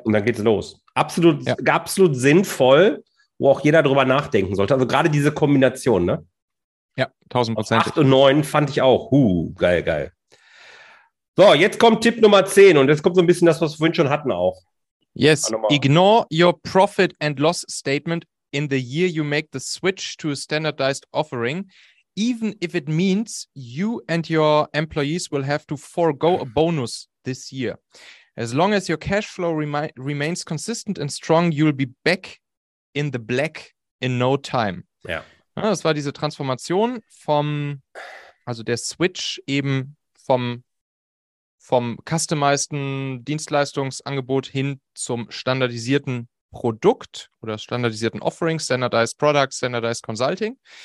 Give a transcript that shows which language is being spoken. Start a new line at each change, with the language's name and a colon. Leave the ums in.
German: Und dann geht's los. Absolut, Ja. absolut sinnvoll, wo auch jeder drüber nachdenken sollte. Also gerade diese Kombination, ne? ja, 1000 Prozent. Acht und neun fand ich auch. Huh, geil, geil. So, jetzt kommt Tipp Nummer 10 und jetzt kommt so ein bisschen das, was wir vorhin schon hatten auch.
English: Yes,
German: Nochmal.
English: ignore your profit and loss statement in the year you make the switch to a standardized offering, even if it means you and your employees will have to forego a bonus this year. As long as your cash flow remi remains consistent and strong, you'll be back in the black in no time.
German: Ja. Ja, das war diese Transformation vom, also der Switch eben vom vom customizeden Dienstleistungsangebot hin zum standardisierten Produkt oder standardisierten Offering, Standardized Product, Standardized Consulting.